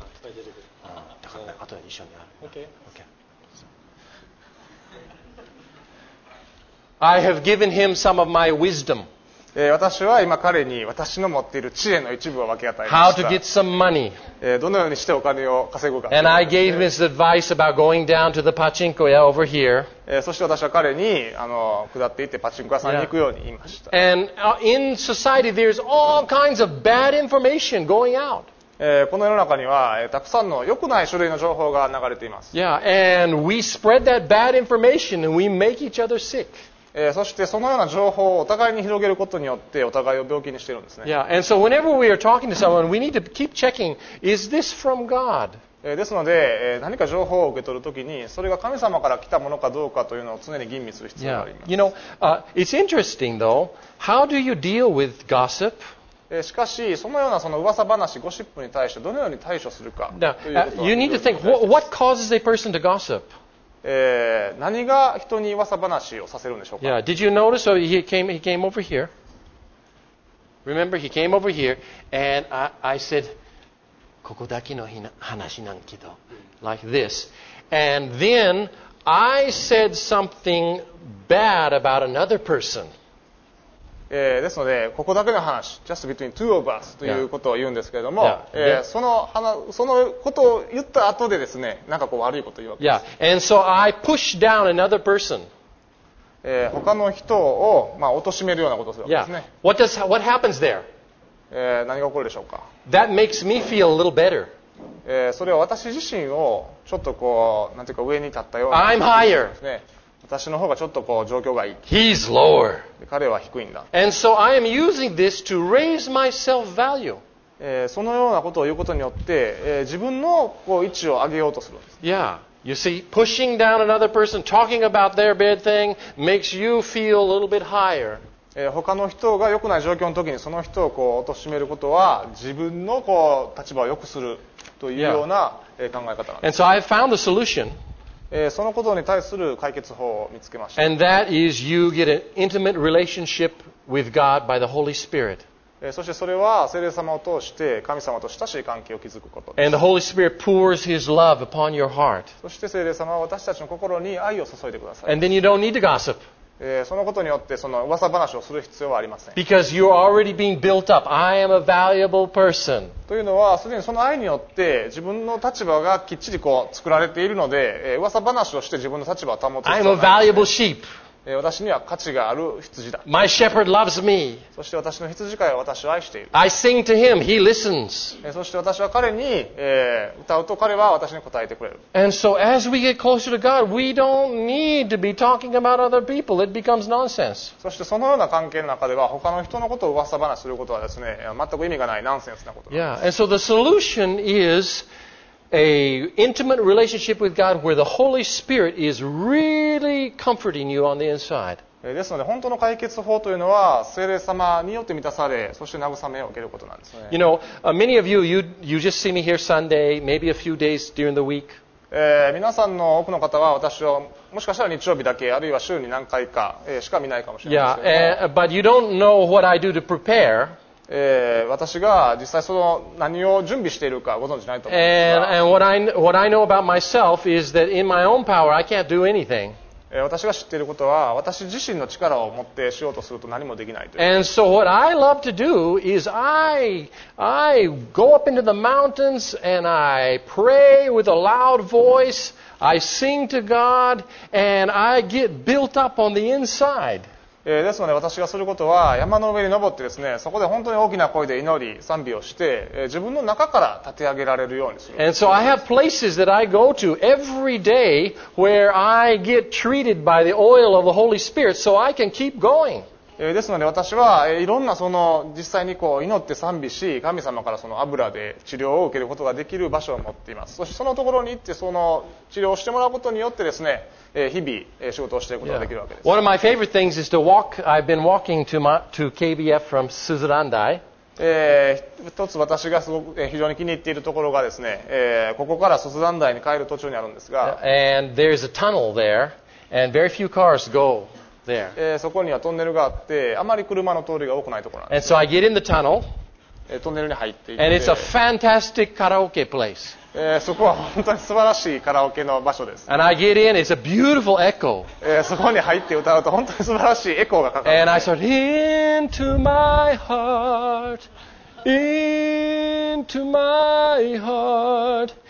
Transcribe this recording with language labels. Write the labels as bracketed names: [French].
[Japanese] って、うん、だからね、うん、後で一緒にやる。 [English] okay. Okay. I have given him some of my wisdom. [Japanese] 私は今彼に私の持っている知恵の一部を分け与えました。 [English] How to get some money. [Japanese] どのようにしてお金を稼ぐか。 [English] And I gave him his advice about going down to the pachinko屋 over here. [Japanese] そして私は彼に下っていってパチンコ屋さんに行くように言いました。 [English] And in society there's all kinds of bad information going out. [Japanese] この世の中にはたくさんの良くない種類の情報が流れています。 [English] Yeah, and we spread that bad information and we make each other sick. [Japanese] そしてそのような情報をお互いに広げることによってお互いを病気にしているんですね。 [English] Yeah, and so whenever we are talking to someone, we need to keep checking, is this from God? [Japanese] ですので、何か情報を受け取るときに、それが神様から来たものかどうかというのを常に吟味する必要があります。 [English] Yeah, you know, it's interesting though, how do you deal with gossip? [Japanese] しかしそのようなその噂話ゴシップに対してどのように対処するかということは、 [English] You need to think, what causes a person to gossip? [Japanese] 何が人に噂話をさせるんでしょうか。 [English] Yeah, did you notice? Oh, he came over here. Remember, he came over here, and I said, [Japanese] ここだけの話なんけど、 [English] like this. And then I said something bad about another person. [Japanese] ですので、ここだけの話、 [English] just between two of us [Japanese] ということを言うんですけれども、そのことを言った後でですね、なんかこう悪いことを言うわけです。 [English] Yeah. And so I push down another person. [Japanese] 他の人を、貶めるようなことをするわけですね。 [English] Yeah. What happens there? [Japanese] 何が起こるでしょうか? [English] That makes me feel a little better. [Japanese] それは私自身をちょっとこう、なんていうか上に立ったような。 [English] I'm higher. [Japanese] 私の方がちょっとこう状況がいい。 [English] He's lower. [Japanese] 彼は低いんだ。 [English] And so I am using this to raise my self-value. [Japanese] そのようなことを言うことによって、自分のこう位置を上げようとするんです。 [English] Yeah. You see, pushing down another person, talking about their bad thing, makes you feel a little bit higher. [Japanese] 他の人が良くない状況の時にその人をこう貶めることは、自分のこう立場を良くするというような考え方なんです。 [English] And so I found the solution. [Japanese] そのことに対する解決法を見つけました。 [English] And that is you get an intimate relationship with God by the Holy Spirit. [Japanese] そしてそれは聖霊様を通して神様と親しい関係を築くことです。 [English] And the Holy Spirit pours His love upon your heart. [Japanese] そして聖霊様は私たちの心に愛を注いでください。 [English] And then you don't need to gossip. [Japanese] そのことによってその噂話をする必要はありません。 [English] Because you're already being built up. I am a valuable person. [Japanese] というのはすでにその愛によって自分の立場がきっちりこう作られているので、噂話をして自分の立場を保つ。 [English] I am a valuable sheep. [Japanese] 私には価値がある羊だ。 [English] My shepherd loves me. [Japanese] そして私の羊飼いは私を愛している。 [English] I sing to him, he listens. [Japanese] そして私は彼に歌うと彼は私に答えてくれる。 [English] And so as we get closer to God, we don't need to be talking about other people. It becomes nonsense. [Japanese] そしてそのような関係の中では他の人のことを噂話することはですね、全く意味がないナンセンスなことです。 [English] Yeah, and so the solution is an intimate relationship with God where the Holy Spirit is really comforting you on the inside. [Japanese] ですので本当の解決法というのは聖霊様によって満たされ、そして慰めを受けることなんですね。 [English] You know, many of you just see me here Sunday, maybe a few days during the week. [Japanese] 皆さんの多くの方は私をもしかしたら日曜日だけ、あるいは週に何回かしか見ないかもしれないですけど。 [English] Yeah, but you don't know what I do to prepare. [Japanese] 私が実際その何を準備しているかご存じないと思うんですが、 [English] and what I know about myself is that in my own power I can't do anything. [Japanese] 私が知っていることは私自身の力を持ってしようとすると何もできないという。 [English] And so what I love to do is I go up into the mountains and I pray with a loud voice, I sing to God and I get built up on the inside [Japanese] ですので私がすることは山の上に登ってですね、そこで本当に大きな声で祈り賛美をして自分の中から立て上げられるようにする。 [English] And so I have places that I go to every day where I get treated by the oil of the Holy Spirit so I can keep going. [Japanese] ですので私はいろんなその実際にこう祈って賛美し神様からその油で治療を受けることができる場所を持っています。そしてそのところに行ってその治療をしてもらうことによってですね、日々仕事をしていくことができるわけです。 [English] One of my favorite things is to walk. I've been walking to KBF from Suzurandai. [Japanese] 一つ私がすごく非常に気に入っているところがですね、ここからスズランダイに帰る途中にあるんですが、 [English] And there's a tunnel there and very few cars go there. [Japanese] そこにはトンネルがあってあまり車の通りが多くないところなんです。 [English] And so I get in the tunnel. [Japanese] トンネルに入っていて、 [English] And it's a fantastic karaoke place. [Japanese] そこは本当に素晴らしいカラオケの場所です。 [English] And I get in, it's a beautiful echo. [Japanese] そこに入って歌うと本当に素晴らしいエコーがかかる。 [English] And I said, into my heart, into my heart.